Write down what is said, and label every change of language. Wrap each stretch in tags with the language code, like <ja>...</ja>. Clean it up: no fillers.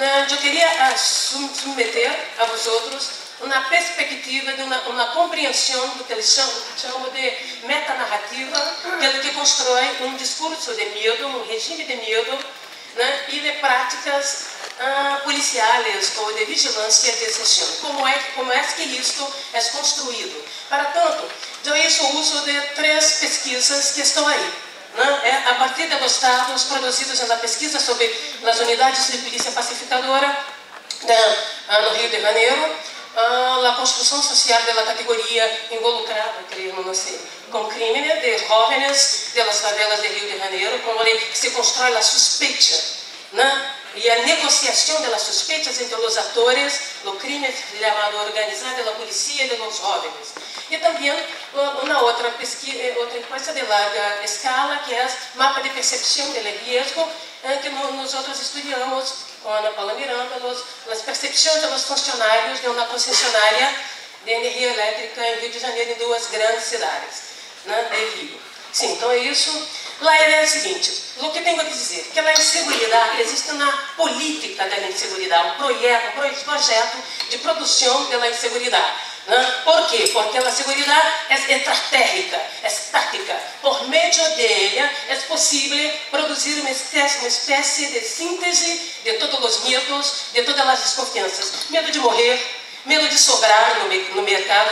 <pt>Eu queria submeter a vocês uma perspectiva de uma compreensão do que eles chamam de metanarrativa, pelo que constrói um discurso de medo, um regime de medo, né, e de práticas policiais ou de vigilância de exceção. Como é que isto é construído? Para tanto, eu uso o uso de três pesquisas que estão aí.</pt> <es>É a partir de los dados producidos en la pesquisa sobre las unidades de policía pacificadora</es> <pt>no Rio de Janeiro,</pt> <es>la construcción social de la categoría involucrada, creo, no sé, con crímenes de jóvenes de las favelas de Rio de Janeiro, como se construye la sospecha, ¿no? Y la negociación de las sospechas entre los actores, los crímenes llamados organizados de la policía y de los jóvenes.</es> <pt>E também uma outra pesquisa,</pt> <es>outra encuesta de larga escala,</es> <pt>que é o mapa de percepção do riesgo, que nós estudamos com a Ana Paula Miranda, as percepções dos funcionários de uma concessionária de energia elétrica em Rio de Janeiro, em duas grandes cidades, né, de Rio. Sim, então é isso. A ideia é a seguinte, o que tenho a dizer, que a insegurança existe na política da insegurança, um projeto de produção da insegurança.</pt> <es>¿Por qué? Porque la seguridad es estratégica, es táctica. Por medio de ella es posible producir una especie de síntesis de todos los miedos, de todas las desconfianzas. Miedo de morir, miedo de sobrar</es> <pt>no mercado.</pt>